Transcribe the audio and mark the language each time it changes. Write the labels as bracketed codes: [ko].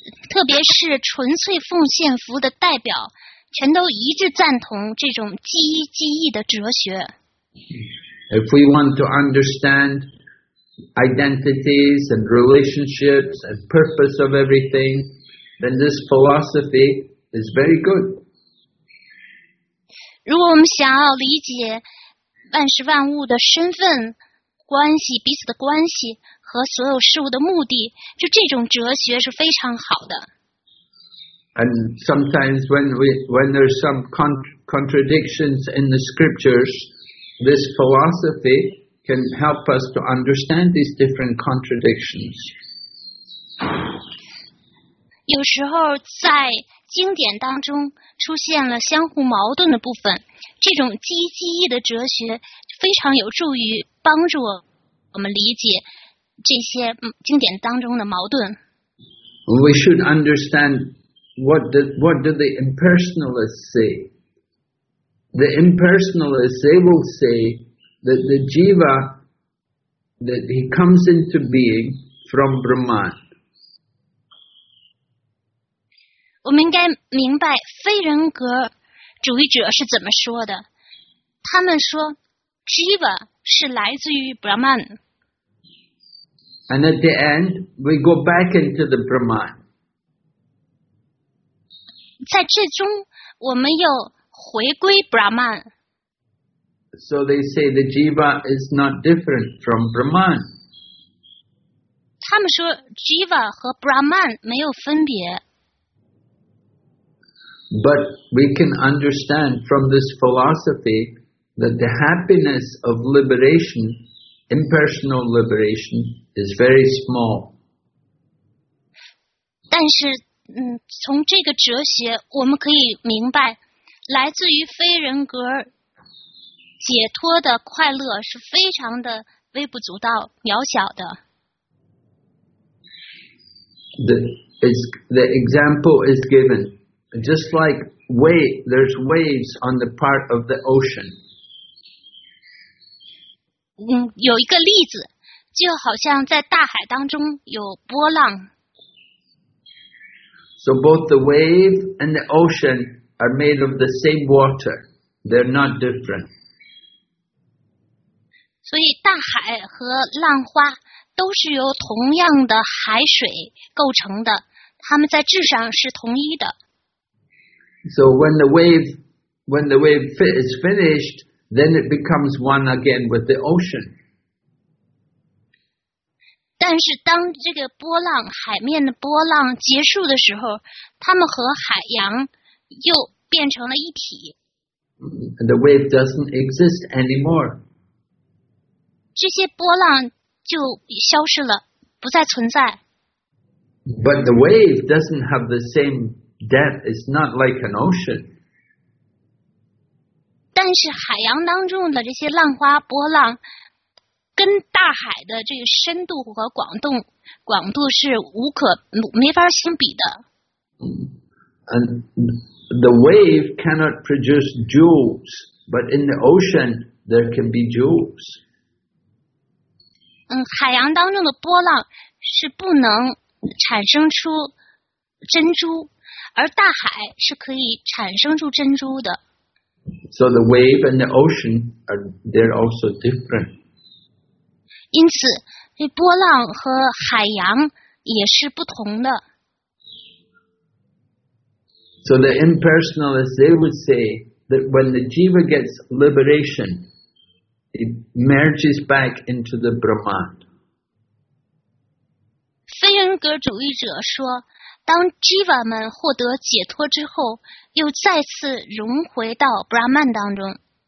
[zh] 特别是纯粹奉献服务的代表，全都一致赞同这种记一记忆的哲学。 [en] If we want to understand identities and relationships and purpose of everything, then this philosophy is very good. [zh] 如果我们想要理解万事万物的身份关系、彼此的关系。和所有事物的目的，就这种哲学是非常好的。 [en] And sometimes when there's some contradictions in the scriptures, this philosophy can help us to understand these different contradictions. [zh] 有时候在经典当中出现了相互矛盾的部分，这种记忆记忆的哲学非常有助于帮助我们理解。这些经典当中的矛盾。 [en] We should understand what do the impersonalists say. The impersonalists, they will say that the jiva, that he comes into being from Brahman. [zh] 我们应该明白非人格主义者是怎么说的。他们说 jiva 是来自于 Brahman。 [en] And at the end, we go back into the Brahman. [zh] 在最终，我们又回归 Brahman. [en] So they say the jiva is not different from Brahman. [zh] 他们说 jiva 和 Brahman 没有分别。 [en] But we can understand from this philosophy that the happiness of liberation, impersonal liberation,is very small. [zh] 但是从这个哲学我们可以明白来自于非人格解脱的快乐是非常的微不足道、渺小的。 [en] The example is given, just like there's waves on the part of the ocean. [zh] 有一个例子，就好像在大海当中有波浪。 [en] So both the wave and the ocean are made of the same water. They're not different. [zh] 所以大海和浪花都是由同样的海水构成的，它们在质上是同一的。 [en] So when the wave is finished, then it becomes one again with the ocean. [zh] 但是当这个波浪，海面的波浪结束的时候，它们和海洋又变成了一体。 [en] The wave doesn't exist anymore. [zh] 这些波浪就消失了，不再存在。 [en] But the wave doesn't have the same depth. It's not like an ocean. [zh] 但是海洋当中的这些浪花波浪，跟大海的这个深度和广度是没法相比的。 [en] And the wave cannot produce jewels, but in the ocean there can be jewels. [zh] 海洋当中的波浪是不能产生出珍珠，而大海是可以产生出珍珠的。 [en] So the wave and the ocean they're also different. [zh] 因此，这波浪和海洋也是不同的。 [en] So the impersonalists, they would say that when the jiva gets liberation, it merges back into the Brahman. [zh] 非人格主义者说，当 jiva 们获得解脱之后，又再次融回到 Brahman 当中。